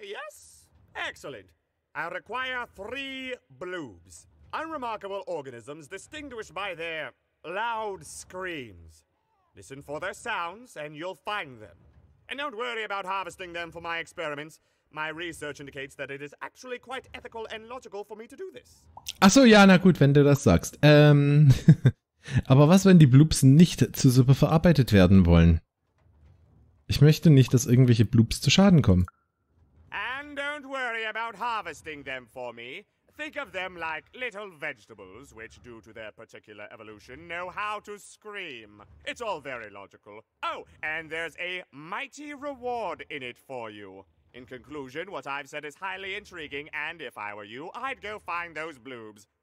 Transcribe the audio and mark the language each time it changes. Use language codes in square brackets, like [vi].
[en] yes? Excellent. I require three bloobs. Unremarkable organisms distinguished by their loud screams. Listen for their sounds, and you'll find them. And don't worry about harvesting them for my experiments. My research indicates that it is actually quite ethical and logical for me to do this. [de] Achso, ja, na gut, wenn du das sagst. aber was, wenn die Bloops nicht zur Suppe verarbeitet werden wollen? Ich möchte nicht, dass irgendwelche Bloops zu Schaden kommen. [en] And don't worry about harvesting them for me. Think of them like little vegetables, which due to their particular evolution know how to scream. It's all very logical. Oh, and there's a mighty reward in it for you. In conclusion, what I've said is highly intriguing, and if I were you, I'd go find those bloobs.